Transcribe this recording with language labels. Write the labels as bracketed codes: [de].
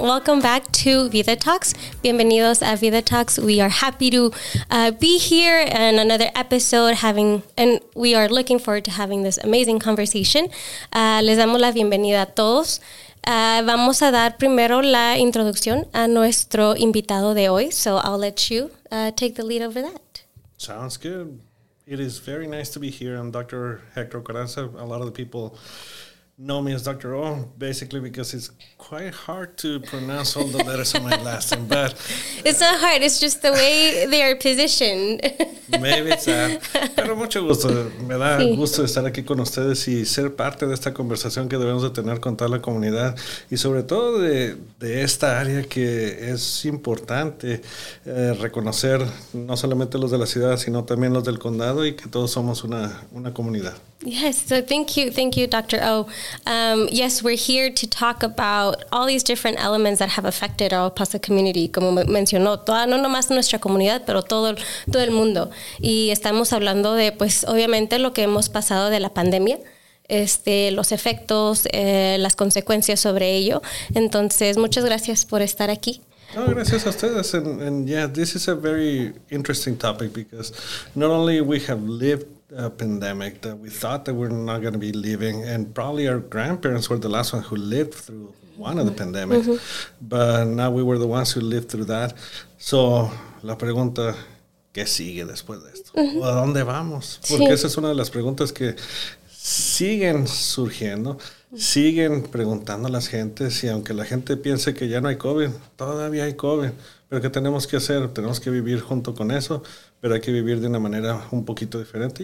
[en] Welcome back to Vida Talks. [es] Bienvenidos a Vida Talks. [en] We are happy to be here in another episode and we are looking forward to having this amazing conversation. [es] Les damos la bienvenida a todos. Vamos a dar primero la introducción a nuestro invitado de hoy. [en] So I'll let you take the lead over that. Sounds good. It is very nice to be here. I'm Dr. Hector Ocaranza. A lot of the people know me as Dr. O, basically because it's quite hard to pronounce all the letters on my last name. But it's not hard. It's just the way they are positioned. Maybe it's that. [es] Pero mucho gusto. Me da gusto estar aquí con ustedes y ser parte de esta conversación que debemos de tener con toda la comunidad. Y sobre todo de esta área que es importante reconocer no solamente los de la ciudad, sino también los del condado y que todos somos una comunidad. [en] Yes, so thank you, Dr. O. Yes, we're here to talk about all these different elements that have affected our Paso community, [es] como mencionó, no nomás nuestra comunidad, pero todo el mundo. Y estamos hablando de, pues, obviamente lo que hemos pasado de la pandemia, los efectos, las consecuencias sobre ello. Entonces, muchas gracias por estar aquí. No, gracias a ustedes. [en] And yeah, this is a very interesting topic because not only we have lived a pandemic that we thought that we're not going to be living, and probably our grandparents were the last one who lived through one of the pandemics, but now we were the ones who lived through that. [es] So, la pregunta, ¿qué sigue después de esto? ¿A dónde vamos? Porque esa es una de las preguntas que siguen surgiendo. Siguen preguntando a las gentes, y aunque la gente piense que ya no hay COVID, todavía hay COVID. ¿Pero qué tenemos que hacer? Tenemos que vivir junto con eso, pero hay que vivir de una manera un poquito diferente.